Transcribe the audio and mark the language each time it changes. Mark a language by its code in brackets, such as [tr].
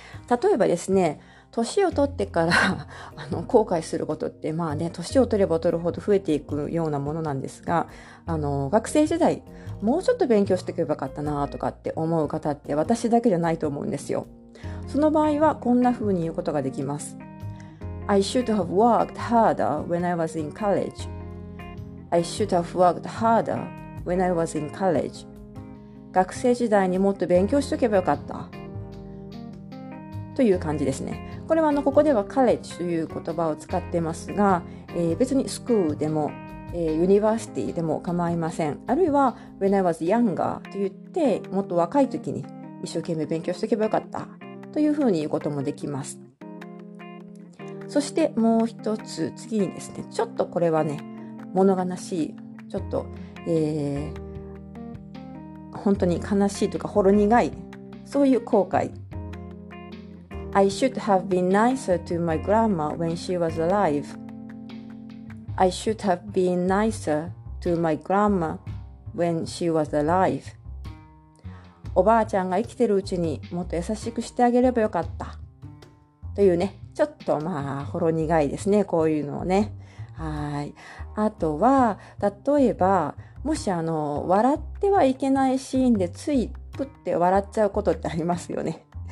[ja] 例えばですね、年を取ってから後悔することって、まあね、年を取れば取るほど増えていくようなものなんですが、学生時代、もうちょっと勉強しておけばよかったなとかって思う方って私だけじゃないと思うんですよ。その場合はこんな風に言うことができます。 [en] I should have worked harder when I was in college. I should have worked harder when I was in college. [ja] 学生時代にもっと勉強しとけばよかった。という感じですね。これはここでは college という言葉を使ってますが、別に school でも、university でも構いません。あるいは [en] when I was younger [ja] と言って、もっと若い時に一生懸命勉強しとけばよかった。というふうに言うこともできます。そしてもう一つ、次にですね、ちょっとこれはね、物悲しい、ちょっと、本当に悲しいとかほろ苦い、そういう後悔。 [en] I should have been nicer to my grandma when she was alive. I should have been nicer to my grandma when she was alive. [ja] おばあちゃんが生きてるうちにもっと優しくしてあげればよかった。というね、ちょっとほろ苦いですね、こういうのをね。はい。あとは、例えば、もし笑ってはいけないシーンでついプッて笑っちゃうことってありますよね。